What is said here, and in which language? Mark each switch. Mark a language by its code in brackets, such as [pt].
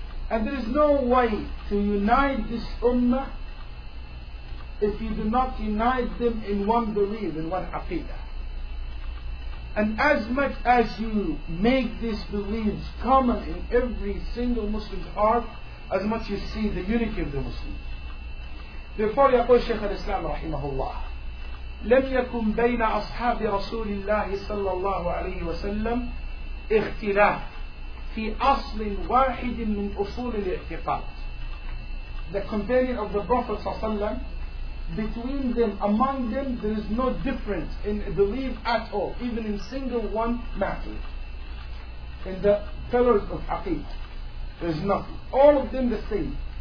[en] And there is no way to unite this ummah if you do not unite them in one belief, in one aqidah. And as much as you make these beliefs common in every single Muslim's heart, as much you see the unity of the Muslims. Therefore, [ar] يقول شيخ الإسلام رحمه الله لم يكن بين أصحاب رسول الله صلى الله عليه وسلم اختلاف في أصل واحد من أصول الاعتقاد. [en] The companion of the Prophet [ar] صلى الله عليه وسلم, [en] between them, among them, there is no difference in belief at all, even in single one matter. In the pillars of aqeedah, there is nothing. All of them the same.